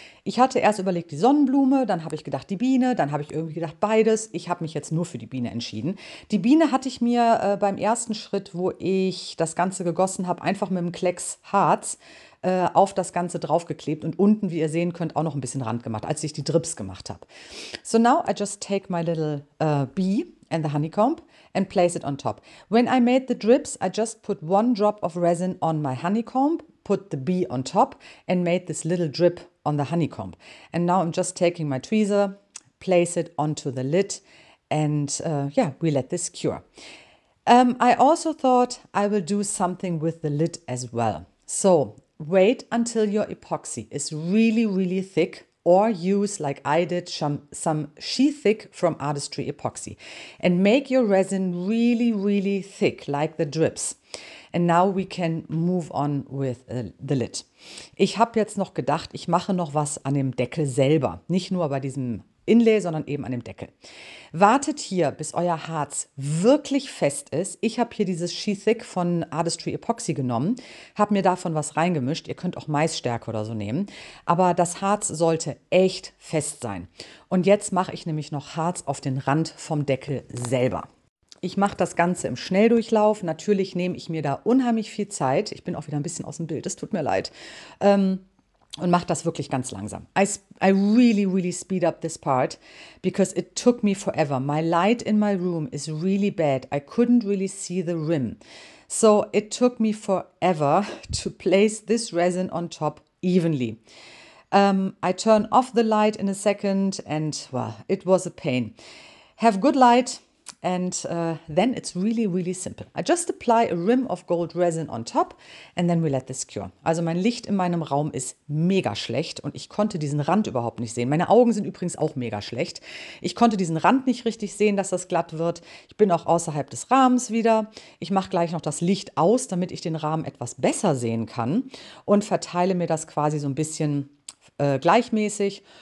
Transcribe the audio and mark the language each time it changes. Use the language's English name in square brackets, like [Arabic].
[German] Ich hatte erst überlegt, die Sonnenblume, dann habe ich gedacht, die Biene, dann habe ich irgendwie gedacht, beides. Ich habe mich jetzt nur für die Biene entschieden. Die Biene hatte ich mir beim ersten Schritt, wo ich das Ganze gegossen habe, einfach mit einem Klecks Harz auf das Ganze draufgeklebt und unten, wie ihr sehen könnt, auch noch ein bisschen Rand gemacht, als ich die Drips gemacht habe. [English] So now I just take my little bee and the honeycomb and place it on top. When I made the drips, I just put one drop of resin on my honeycomb, put the bee on top and made this little drip on the honeycomb. And now I'm just taking my tweezer, place it onto the lid and we let this cure. I also thought I will do something with the lid as well. So wait until your epoxy is really, really thick. Or use, like I did, some She-Thick from Artistry Epoxy. And make your resin really, really thick, like the drips. And now we can move on with the lid. [German] Ich habe jetzt noch gedacht, ich mache noch was an dem Deckel selber. Nicht nur bei diesem Inlay, sondern eben an dem Deckel. Wartet hier, bis euer Harz wirklich fest ist. Ich habe hier dieses She-Thick von Artistry Epoxy genommen, habe mir davon was reingemischt. Ihr könnt auch Maisstärke oder so nehmen. Aber das Harz sollte echt fest sein. Und jetzt mache ich nämlich noch Harz auf den Rand vom Deckel selber. Ich mache das Ganze im Schnelldurchlauf. Natürlich nehme ich mir da unheimlich viel Zeit. Ich bin auch wieder ein bisschen aus dem Bild, es tut mir leid. Und mach das wirklich ganz langsam. [English] I really, really speed up this part because it took me forever. My light in my room is really bad. I couldn't really see the rim. So it took me forever to place this resin on top evenly. I turn off the light in a second and, well, it was a pain. Have good light and then it's really, really simple. I just apply a rim of gold resin on top and then we let this cure. [German] Also mein Licht in meinem Raum ist mega schlecht und ich konnte diesen Rand überhaupt nicht sehen. Meine Augen sind übrigens auch mega schlecht. Ich konnte diesen Rand nicht richtig sehen, dass das glatt wird. Ich bin auch außerhalb des Rahmens wieder. Ich mache gleich noch das Licht aus, damit ich den Rahmen etwas besser sehen kann und verteile mir das quasi so ein bisschen gleichmäßig.